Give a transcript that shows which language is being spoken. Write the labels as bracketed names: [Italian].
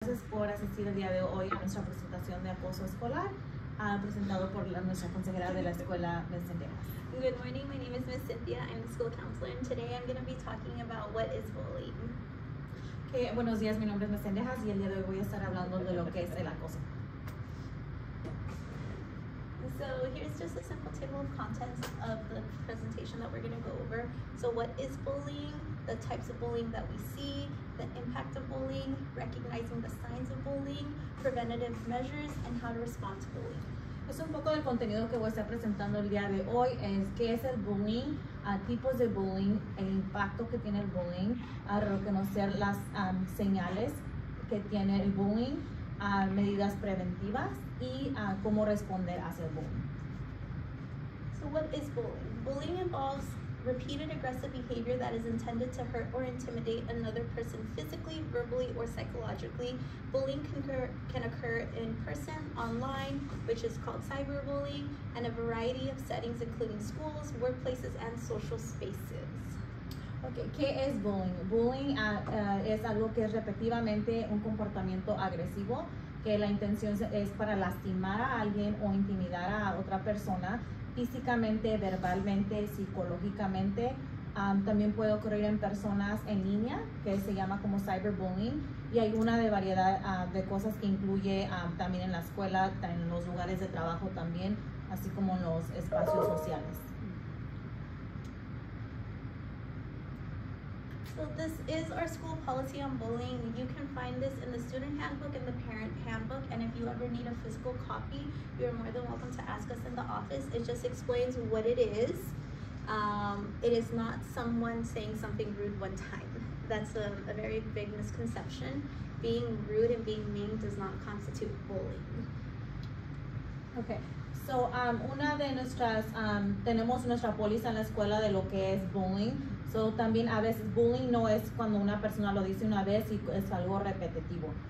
[Spanish] gracias por asistir el día de hoy a nuestra presentación de acoso escolar, presentado por nuestra consejera de la escuela, Ms. Cynthia. [English] Good morning, my name is Ms. Cynthia. I'm the school counselor, and today I'm going to be talking about what is bullying. [Spanish] Okay, buenos días, mi nombre es Ms. Cynthia, y el día de hoy voy a estar hablando de lo que es el acoso. [English] So here's just a simple table of contents of the presentation that we're going to go over. So what is bullying? The types of bullying that we see, the impact of bullying, recognizing the signs of bullying, preventative measures, and how to respond to bullying. [Spanish] Es un poco del contenido que voy a estar presentando el día de hoy, es qué es el bullying, tipos de bullying, el impacto que tiene el bullying, reconocer las señales que tiene el bullying, medidas preventivas y cómo responder hacia el bullying. [English] So what is bullying? Bullying involves repeated aggressive behavior that is intended to hurt or intimidate another person physically, verbally, or psychologically. Bullying can occur in person, online, which is called cyberbullying, and a variety of settings including schools, workplaces, and social spaces. [Spanish] Okay, ¿qué es bullying? Bullying es algo que es repetitivamente un comportamiento agresivo, que la intención es para lastimar a alguien o intimidar a otra persona, físicamente, verbalmente, psicológicamente. También puede ocurrir en personas en línea, que se llama como cyberbullying, y hay una de variedad de cosas que incluye también en la escuela, en los lugares de trabajo también, así como en los espacios sociales. [English] So this is our school policy on bullying. You can find this in the student handbook and the parent handbook. And if you ever need a physical copy, you're more than welcome to ask us in the office. It just explains what it is. It is not someone saying something rude one time. That's a very big misconception. Being rude and being mean does not constitute bullying. Okay. [Spanish] So, una de nuestras, tenemos nuestra póliza en la escuela de lo que es bullying. So, también a veces bullying no es cuando una persona lo dice una vez y es algo repetitivo.